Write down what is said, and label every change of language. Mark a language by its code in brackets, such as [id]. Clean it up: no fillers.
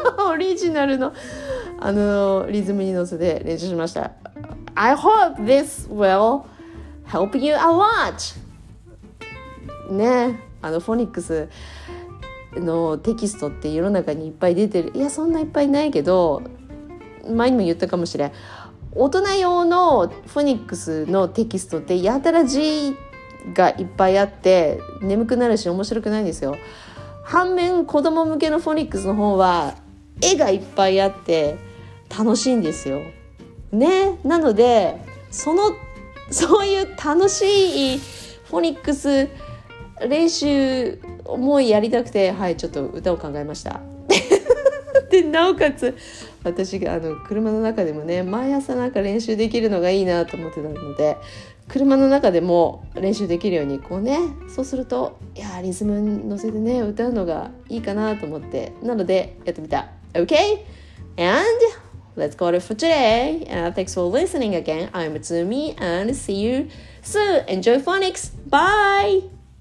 [ja] オリジナルのあのリズムに乗せて練習しました。 [en] I hope this will help you a lot. [ja] ね、あのフォニックスのテキストって世の中にいっぱい出てる。いやそんないっぱいないけど、前にも言ったかもしれん、大人用のフォニックスのテキストってやたら字がいっぱいあって眠くなるし面白くないんですよ。反面子供向けのフォニックスの方は絵がいっぱいあって楽しいんですよね。なのでそういう楽しいフォニックス練習もうやりたくて、はい、ちょっと歌を考えました。で、なおかつ、私があの車の中でもね、毎朝なんか練習できるのがいいなと思ってたので、車の中でも練習できるように、こうね、そうすると、いやリズム乗せてね、歌うのがいいかなと思って、なので、やってみた。 [en] Okay? And let's call it for today. And thanks for listening again. I'm Tsumi, and see you soon. Enjoy phonics. Bye!